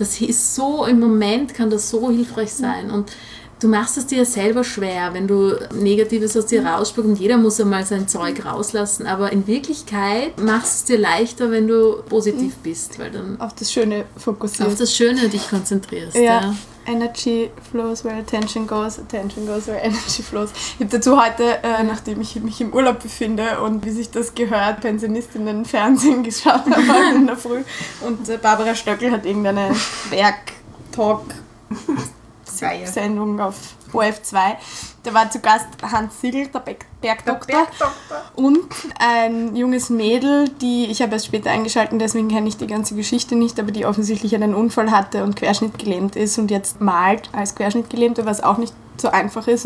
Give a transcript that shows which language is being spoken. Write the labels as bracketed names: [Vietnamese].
[German] Das ist so, im Moment kann das so hilfreich sein. Und du machst es dir selber schwer, wenn du Negatives aus dir rausspuckst und jeder muss einmal sein Zeug rauslassen. Aber in Wirklichkeit machst du es dir leichter, wenn du positiv bist. Weil dann auf das Schöne fokussierst. Auf das Schöne dich konzentrierst. Ja. [English] Energy flows where attention goes where energy flows. [German] Ich habe dazu heute, nachdem ich mich im Urlaub befinde und wie sich das gehört, Pensionistinnen Fernsehen geschaut habe in der Früh. Und Barbara Stöckel hat irgendeine Werk-Talk Sendung auf ORF2. Da war zu Gast Hans Siegel, der Bergdoktor. Und ein junges Mädel, die, ich habe erst später eingeschaltet, deswegen kenne ich die ganze Geschichte nicht, aber die offensichtlich einen Unfall hatte und querschnittgelähmt ist und jetzt malt als Querschnittgelähmte, was auch nicht so einfach ist.